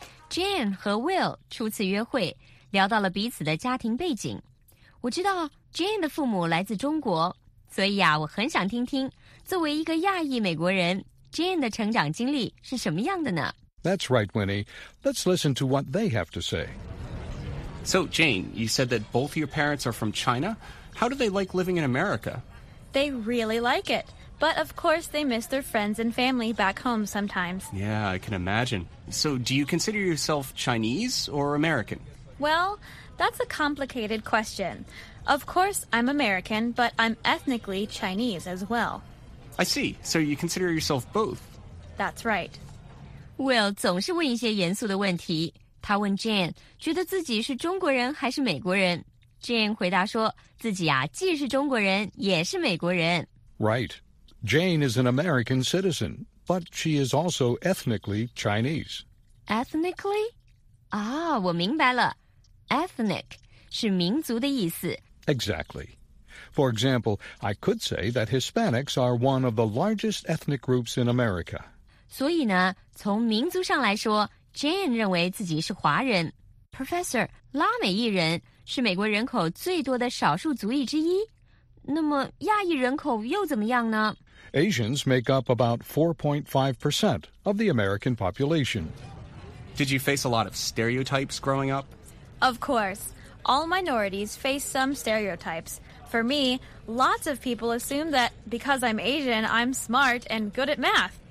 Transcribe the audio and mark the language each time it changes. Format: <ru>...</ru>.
<zh>Jane 和 Will 初次约会，聊到了彼此的家庭背景。我知道 Jane 的父母来自中国，所以啊，我很想听听作为一个亚裔美国人 Jane 的成长经历是什么样的呢？</zh> <en>That's right, Winnie. Let's listen to what they have to say. So, Jane, you said that both your parents are from China. How do they like living in America? They really like it. But, of course, they miss their friends and family back home sometimes. Yeah, I can imagine. So, do you consider yourself Chinese or American? Well, that's a complicated question. Of course, I'm American, but I'm ethnically Chinese as well. I see. So, you consider yourself both? That's right.</en> <zh>Will 总是问一些严肃的问题。他问 Jane, 觉得自己是中国人还是美国人? Jane 回答说,自己啊,既是中国人,也是美国人。</zh> <en>Right. Jane is an American citizen, but she is also ethnically Chinese.</en> <zh>Ethnically? 啊、oh, 我明白了。Ethnic 是民族的意思。</zh> <en>Exactly. For example, I could say that Hispanics are one of the largest ethnic groups in America.</en> <zh>所以呢,从民族上来说 ,Jane 认为自己是华人。 Professor, 拉美裔人是美国人口最多的少数族裔之一。那么亚裔人口又怎么样呢?</zh> <en>Asians make up about 4.5% of the American population. Did you face a lot of stereotypes growing up? Of course. All minorities face some stereotypes. For me, lots of people assume that because I'm Asian, I'm smart and good at math.</en>